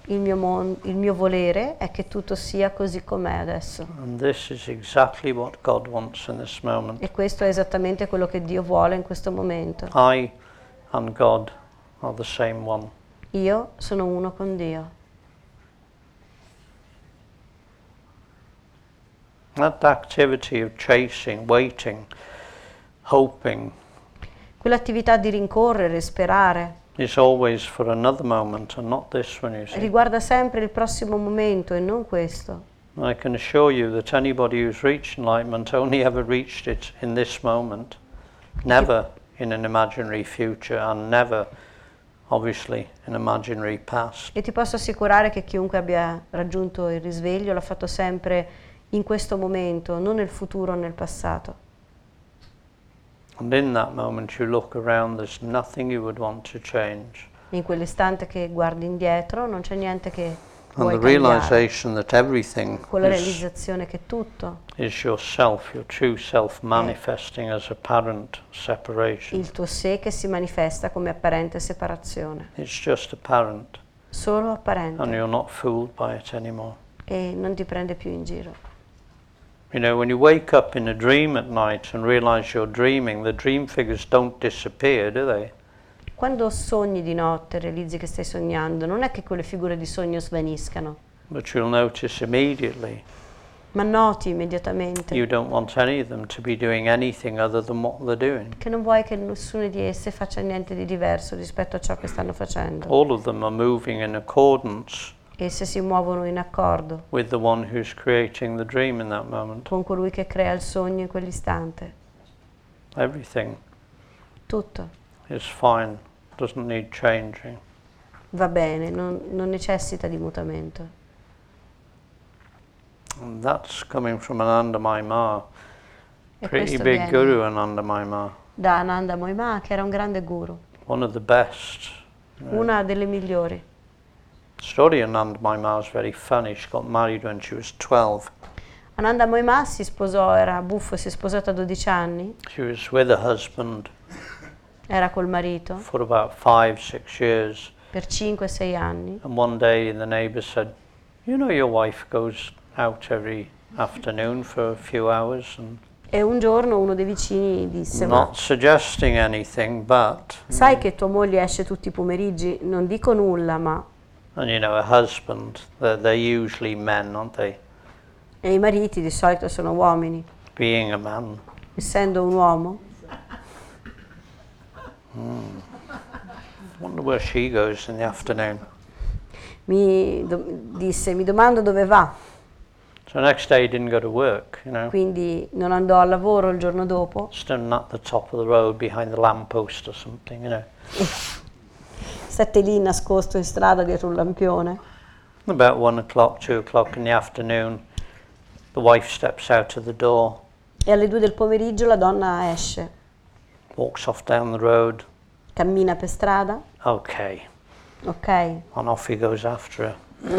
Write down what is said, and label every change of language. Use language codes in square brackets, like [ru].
[it] Il mio volere è che tutto sia così com'è adesso. [en] And this is exactly what God wants in this moment. [it] E questo è esattamente quello che Dio vuole in questo momento. [en] I and God are the same one. [it] Io sono uno con Dio. [en] That activity of chasing, waiting, hoping. [it] Quell'attività di rincorrere, sperare. [en] It's always for another moment and not this one, you see. [it] Riguarda sempre il prossimo momento e non questo. [en] I can assure you that anybody who's reached enlightenment only ever reached it in this moment, never in an imaginary future and never obviously an imaginary past. [it] E ti posso assicurare che chiunque abbia raggiunto il risveglio l'ha fatto sempre in questo momento, non nel futuro o nel passato. [en] And in that moment you look around, there's nothing you would want to change. [it] In quell'istante che guardi indietro, non c'è niente che vuoi cambiare. [en] The realization that everything [it] con la realizzazione che tutto [en] is yourself, your true self manifesting as apparent separation. [it] Il tuo sé che si manifesta come apparente separazione. [en] It's just apparent. [it] Solo apparente. [en] And you're not fooled by it anymore. [it] E non ti prende più in giro. [en] You know, when you wake up in a dream at night and realize you're dreaming, the dream figures don't disappear, do they? [it] Quando sogni di notte, realizzi che stai sognando, non è che quelle figure di sogno svaniscano. [en] But you'll notice immediately. [it] Ma noti immediatamente. [en] You don't want any of them to be doing anything other than what they're doing. [it] Che non vuoi che nessuna di esse faccia niente di diverso rispetto a ciò che stanno facendo. [en] All of them are moving in accordance. [it] Esse si muovono in accordo [en] with the one who's creating the dream in that moment. [it] Con colui che crea il sogno in quell'istante. [en] Everything. [it] Tutto. [en] Is fine. Doesn't need changing. [it] Va bene, non necessita di mutamento. [en] And that's coming from Ananda Maima. Pretty big guru, Ananda Maima. [it] Da Ananda Maima, che era un grande guru. [en] One of the best. [it] Una delle migliori. [en] The story of Ananda Maima is very funny. She got married when she was 12. [it] Ananda Maima si sposò, era buffo, si è sposata a 12 anni. [en] She was with her husband. [it] Era col marito. [en] For about 5-6 years. [it] per 5-6 anni. [en] And one day the neighbor said, "You know your wife goes out every afternoon for a few hours." And [it] e un giorno uno dei vicini disse: [en] "Not suggesting anything, but [it] sai che tua moglie esce tutti i pomeriggi, non dico nulla, ma." [en] And you know, a husband, they're usually men, aren't they? [it] E i mariti di solito sono uomini. [en] Being a man. [it] Essendo un uomo. [en] Wonder where she goes in the afternoon. [it] Mi domando dove va. [en] So the next day he didn't go to work, you know. [it] Quindi non andò al lavoro il giorno dopo. [en] Standing at the top of the road behind the lamppost or something, you know. [it] Sette lì nascosto in strada dietro un lampione. [en] About 1 o'clock, 2 o'clock in the afternoon, the wife steps out of the door. [it] E alle 2 del pomeriggio la donna esce. [en] Walks off down the road. [it] Cammina per strada. [en] Okay. [it] Okay. [en] And off he goes after her.